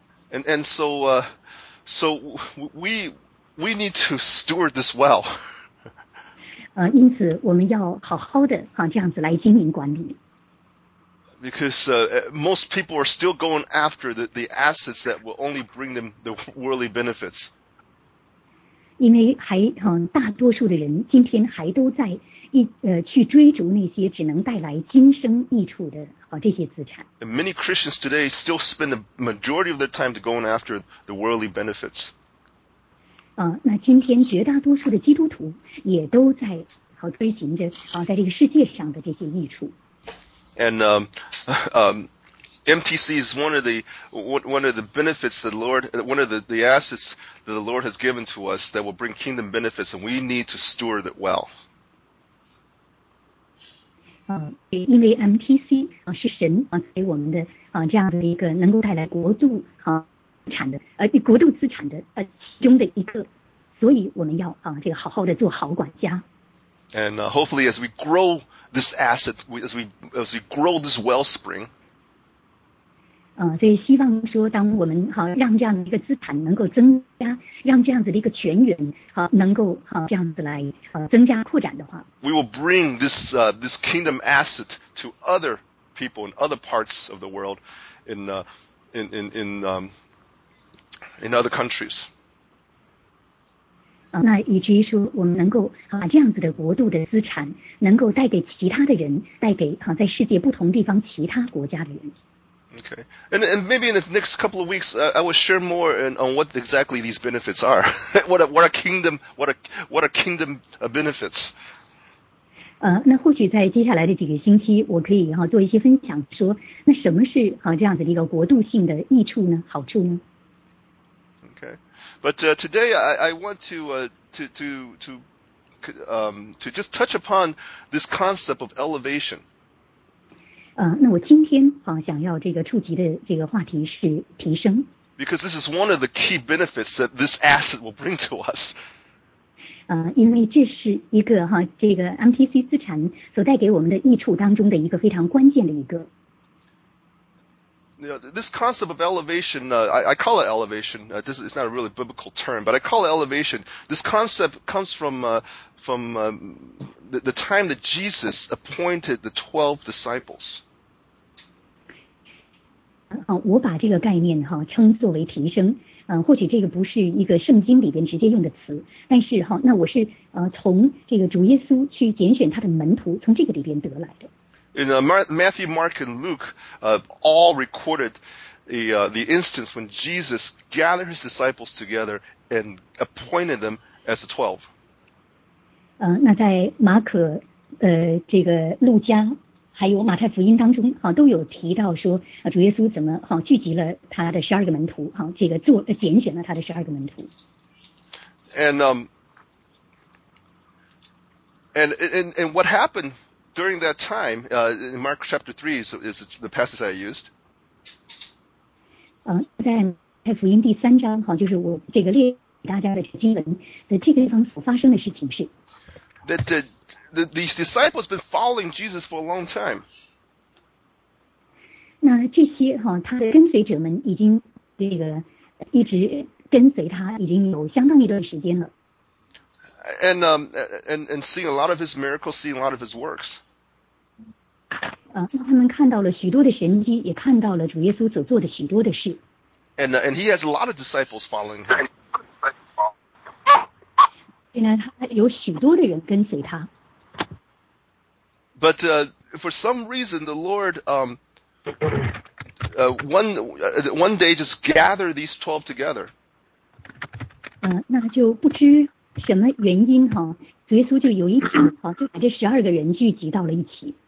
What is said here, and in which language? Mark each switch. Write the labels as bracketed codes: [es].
[en] And so we need to steward this well. [zh] 因此我们要好好的这样子来经营管理。 [en] Because most people are still going after the assets that will only bring them the worldly benefits. [zh] 因为还大多数的人今天还都在去追逐那些只能带来今生益处的这些资产。 [en] And many Christians today still spend the majority of their time to going after the worldly benefits. [zh] 那今天绝大多数的基督徒也都在追寻着在这个世界上的这些益处。 [en] And MTC is one of the benefits that the Lord, one of the assets that the Lord has given to us that will bring kingdom benefits, and we need to steward it well. [zh] 因为 MTC 是神给我们的这样的一个能够带来国度资产的国度资产的其中的一个，所以我们要这个好好的做好管家。 [en] And hopefully, as we grow this asset, as we grow this wellspring, [zh] 所以希望说，当我们让这样一个资产能够增加，让这样子的一个泉源能够这样子来增加扩展的话 [en] ，we will bring this this kingdom asset to other people in other parts of the world, in other countries. [zh] 那以至于说我们能够这样子的国度的资产能够带给其他的人，带给在世界不同地方其他国家的人。 [en] Okay. And maybe in the next couple of weeks, I will share more on what exactly these benefits are. what are kingdom benefits. [zh] 那或许在接下来的几个星期我可以做一些分享，说那什么是这样子的一个国度性的益处呢，好处呢？ [en] Okay. But today I want to just touch upon this concept of elevation. [zh] 那我今天想要这个触及的这个话题是提升。 [en] Because this is one of the key benefits that this asset will bring to us. [zh] 因为这是一个这个 MTC 资产所带给我们的益处当中的一个非常关键的一个。 [en] You know, this concept of elevation, I call it elevation. This is not a really biblical term, but I call it elevation. This concept comes from the time that Jesus appointed the 12 disciples. [zh] 我把这个概念称作为提升。或许这个不是一个圣经里边直接用的词，但是那我是从这个主耶稣去拣选他的门徒，从这个里边得来的。 [en] In Matthew, Mark, and Luke, all recorded the instance when Jesus gathered his disciples together and appointed them as the 12. [zh] 那在马可这个路加还有马太福音当中都有提到说主耶稣怎么聚集了他的十二个门徒这个做拣选了他的十二个门徒。 [en] And what happened? During that time, in Mark chapter 3 is the passage I used. [zh] 在马太福音第三章就是我这个列给大家的经文的这个地方所发生的事情是。 [en] That these disciples have been following Jesus for a long time. [zh] 那这些他的跟随者们已经这个一直跟随他已经有相当一段时间了。 [en] And seeing a lot of his miracles, seeing a lot of his works. [zh] 他们看到了许多的神迹，也看到了主耶稣所做的许多的事。 [en] And he has a lot of disciples following him. [zh] 所以呢，他有许多的人跟随他。 [en] But for some reason, the Lord one day just gathered these 12 together. [zh] 那就不知。什么原因主耶稣就有一天就把这十二个人聚集到了一起。